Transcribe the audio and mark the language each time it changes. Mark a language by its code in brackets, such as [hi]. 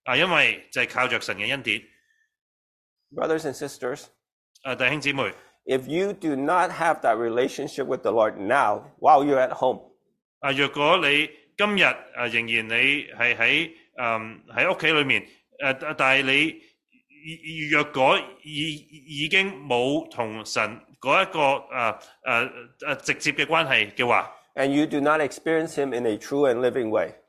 [yue] 因为就系靠着神嘅恩典。 [en] Brothers and sisters， [yue] 弟兄姊妹 [en] ，If you do not have that relationship with the Lord now while you're at home， [yue] 若果你今日仍然你系喺。在家里面但是你若果已经冇同神嗰一个直接嘅关系嘅话 [en] ，and you do not experience him in a true and living way，